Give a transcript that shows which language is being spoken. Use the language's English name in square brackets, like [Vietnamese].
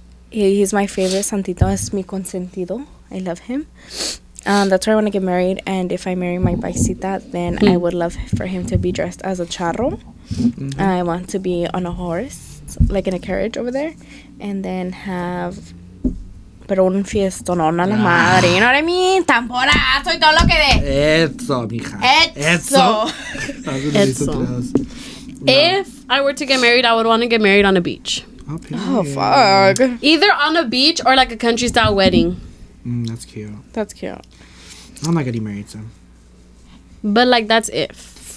[English] He's my favorite santito. [Spanish] Es mi consentido. [English] I love him. That's where I want to get married. And if I marry my paisita, then I would love for him to be dressed as a charro. Mm-hmm. I want to be on a horse, like in a carriage over there, and then have... [Spanish] Pero un fiestonón a la madre. [English] You know what I mean? [Spanish] Tamborazo y todo lo que de. Eso, mija. Eso. [English] If I were to get married, I would want to get married on a beach. Okay. Oh, fuck. Either on a beach or like a country style wedding. That's cute. That's cute. I'm not getting married, so. But like, that's if.